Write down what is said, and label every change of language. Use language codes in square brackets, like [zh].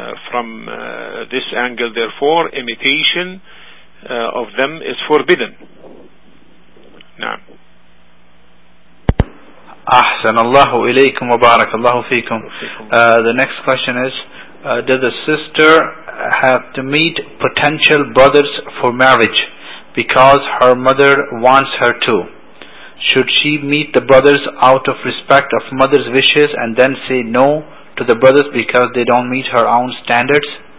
[en] From this angle, therefore, imitation of them is forbidden. Now. [ar] أحسن الله إليكم وبارك الله فيكم. [en] The next question is, does the sister have to meet potential brothers for marriage because her mother wants her to? Should she meet the brothers out of respect of mother's wishes and then say no to the brothers because they don't meet her own standards?